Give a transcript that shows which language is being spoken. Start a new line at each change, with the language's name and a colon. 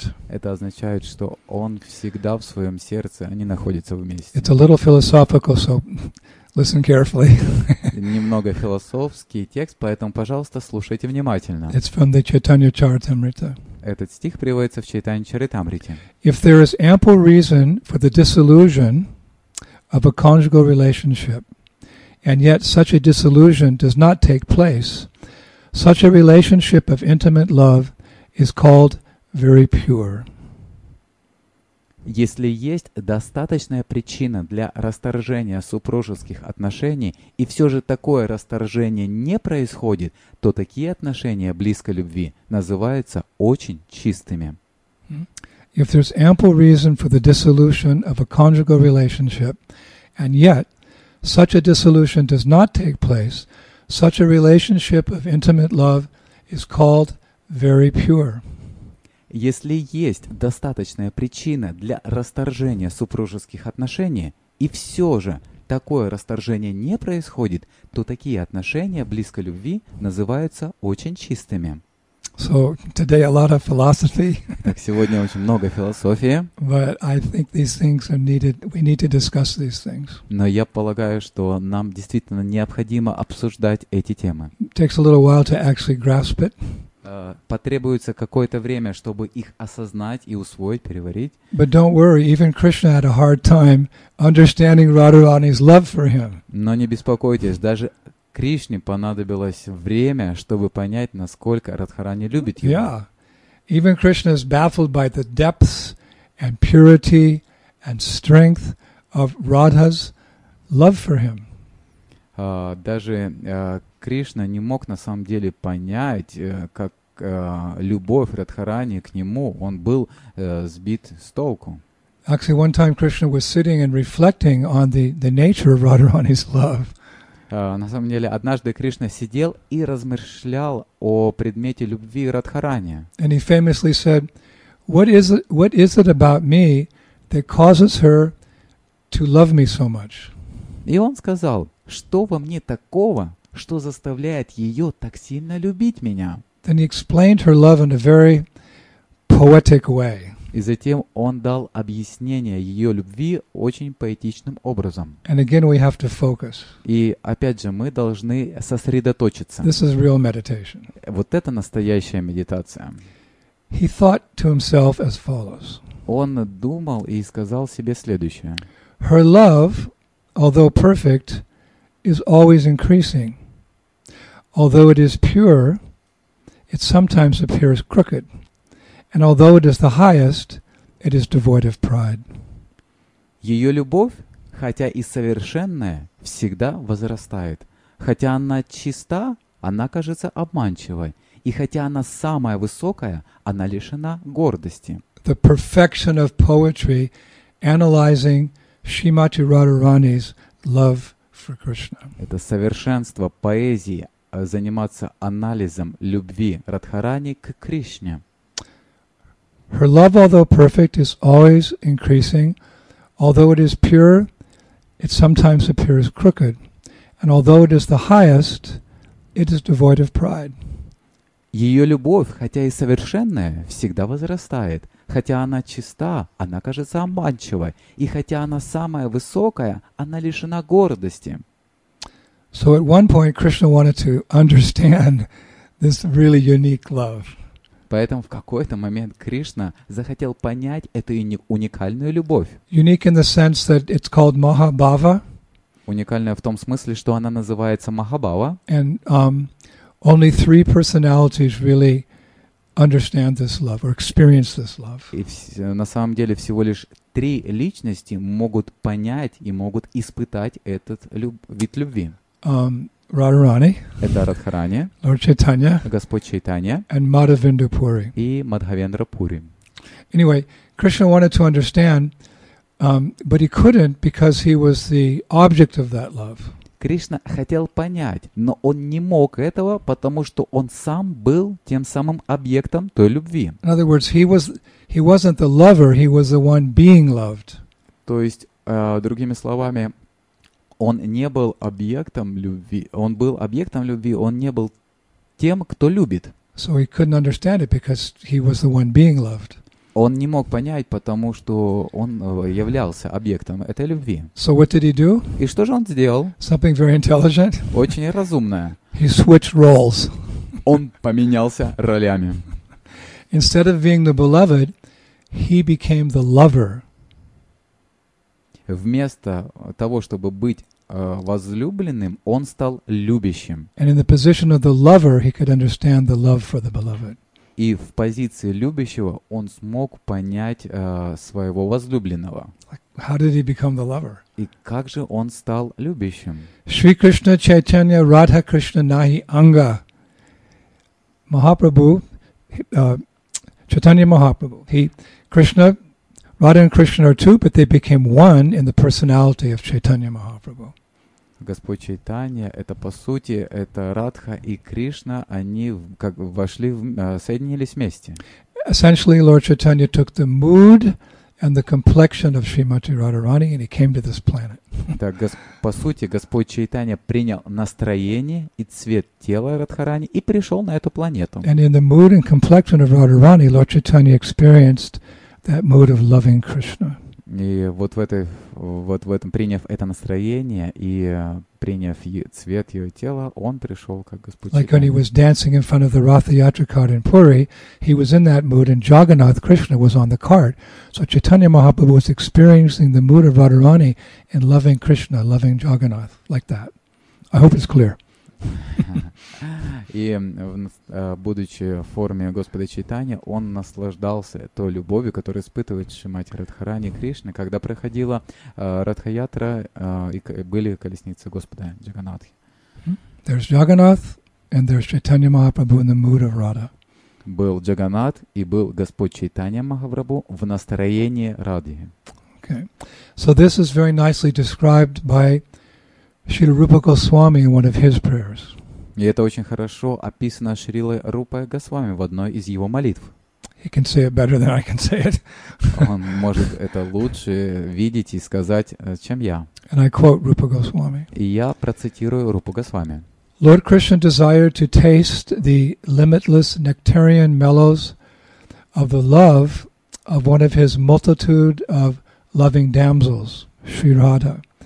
Russian: Это означает, что он всегда в своем сердце, они находятся вместе.
English: It's a little philosophical, so listen carefully.
Russian: Немного философский текст, поэтому, пожалуйста, слушайте внимательно.
English: It's from the Chaitanya Charitamrita.
Russian: Этот стих приводится в Чайтанья Чаритамрите.
English: If there is ample reason for the disillusion of a conjugal relationship, and yet such a disillusion does not take place, such a relationship of intimate love is called very pure.
Russian: Если есть достаточная причина для расторжения супружеских отношений, и все же такое расторжение не происходит, то такие отношения близкой любви называются очень чистыми.
English: If there's ample reason for the dissolution of a conjugal relationship, and yet such a dissolution does not take place, such a relationship of intimate love is called very pure.
Russian: Если есть достаточная причина для расторжения супружеских отношений, и все же такое расторжение не происходит, то такие отношения близкой любви называются очень чистыми.
English: So today a lot of philosophy.
Russian: Так сегодня очень много философии.
English: But I think these things are needed. We need to discuss these things.
Russian: Но я полагаю, что нам действительно необходимо обсуждать эти темы.
English: Takes a little while to actually grasp it.
Russian: Потребуется какое-то время, чтобы их осознать и усвоить, переварить.
English: But don't worry, even Krishna had a hard time understanding Radharani's love for him.
Russian: Но не беспокойтесь, даже Кришне понадобилось время, чтобы понять, насколько Радхарани любит его.
English: Yeah. Even Krishna is baffled by the depths and purity and strength of Radha's love for him.
Russian: Даже Кришна не мог на самом деле понять, как любовь Радхарани к нему, он был сбит с толку.
English: Actually, one time Krishna was sitting and reflecting on the nature of Radharani's love.
Russian: На самом деле, однажды Кришна сидел и размышлял о предмете любви Радхарани.
English: And he famously said, what is it about me that causes her to love me so much?
Russian: И он сказал: что во мне такого, что заставляет ее так сильно любить меня?
English: Then he explained her love in a very poetic way.
Russian: И затем он дал объяснение ее любви очень поэтичным образом.
English: And again we have to focus.
Russian: И опять же, мы должны сосредоточиться.
English: This is real meditation.
Russian: Вот это настоящая медитация.
English: He thought to himself as follows.
Russian: Он думал и сказал себе следующее.
English: Her love, although perfect, is always increasing. Although it is pure, it sometimes appears crooked. And although it is the highest, it is devoid of pride.
Russian: Ее любовь, хотя и совершенная, всегда возрастает. Хотя она чиста, она кажется обманчивой. И хотя она самая высокая, она лишена гордости.
English: The perfection of poetry analyzing Shrimati Radharani's love for Krishna.
Russian: Это совершенство поэзии заниматься анализом любви Радхарани к Кришне.
English: Her love, although perfect, is always increasing. Although it is pure, it sometimes appears crooked. And although it is the highest, it is devoid of pride.
Russian: Ее любовь, хотя и совершенная, всегда возрастает. Хотя она чиста, она кажется обманчивой. И хотя она самая высокая, она лишена гордости.
English: So at one point Krishna wanted to understand this really unique love.
Russian: Поэтому в какой-то момент Кришна захотел понять эту уникальную любовь.
English: Unique in the sense that it's called Mahabhava.
Russian: Уникальная в том смысле, что она называется Махабава.
English: And only three personalities really understand this love or experience this love.
Russian: И на самом деле всего лишь три личности могут понять и могут испытать этот вид любви. Радхарани. Это Радхарани.
English: Lord Chaitanya.
Russian: Господь Чайтанья.
English: And Мадхавендра Пури.
Russian: И Мадхавендра Пури.
English: Anyway, Krishna wanted to understand, but he couldn't because he was the object of that love.
Russian: Кришна хотел понять, но он не мог этого, потому что он сам был тем самым объектом той любви.
English: In other words, he wasn't the lover, he was the one being loved.
Russian: То есть, другими словами, он не был объектом любви, он был объектом любви, он не был тем, кто любит.
English: So he couldn't understand it because he was the one being loved.
Russian: Он не мог понять, потому что он являлся объектом этой любви.
English: So what did he do?
Russian: И что же он сделал?
English: Something very intelligent.
Russian: Очень разумное.
English: He switched roles.
Russian: Он поменялся ролями.
English: Instead of being the beloved, he became the lover.
Russian: Вместо того, чтобы быть возлюбленным, он стал любящим.
English: And in the position of the lover, he could understand the love for the beloved.
Russian: И в позиции любящего он смог понять своего возлюбленного.
English: How did he become the lover?
Russian: И как же он стал любящим?
Sanskrit: Шри Кришна Чайтанья Радха Кришна Нахи Анга.
Russian: Махапрабху, Чайтанья Махапрабху.
English: Кришна, Радха и Кришна are two, but they became one in the personality of Чайтанья Махапрабху.
Russian: Господь Чайтанья, это по сути, это Радха и Кришна, они как вошли, соединились вместе.
English: Essentially, Lord Chaitanya took the mood and the complexion of Shrimati Radharani and he came to this planet.
Russian: Так, по сути, Господь Чайтанья принял настроение и цвет тела Радхарани и пришел на эту планету.
English: And in the mood and complexion of Radharani, Lord Chaitanya experienced that mood of loving Krishna.
Russian: И вот в этой, вот в этом, приняв это настроение и приняв цвет ее тела, он пришел как Господь.
English: Like when he was dancing in front of the Ratha Yatra cart in Puri, he was in that mood, and Jagannath Krishna was on the cart. So Chaitanya Mahaprabhu was experiencing the mood of Radharani in loving Krishna, loving Jagannath, like that. I hope it's clear.
Russian: И будучи в форме Господа Чайтанья, он наслаждался той любовью, которую испытывает Шримати Радхарани Кришна, когда проходила Радхаятра и были колесницы Господа Джаганнатхи.
English: There's Jagannath and there's Chaitanya Mahaprabhu in the mood of Radha.
Russian: Был Джаганнат и был Господь Чайтанья Махапрабху в настроении Радхи.
English: Okay. So this is very nicely described by Шрила Рупа Госвами in one of his prayers.
Russian: И это очень хорошо описано Шрилой Рупой Госвами в одной из его молитв.
English: He can say it better than I can say it.
Russian: Он может это лучше видеть и сказать, чем я.
English: And I quote Rupa Goswami.
Russian: И я процитирую Рупу Госвами.
English: Lord Krishna desired to taste the limitless nectarian mellows of the love of one of his multitude of loving damsels, Sri Radha.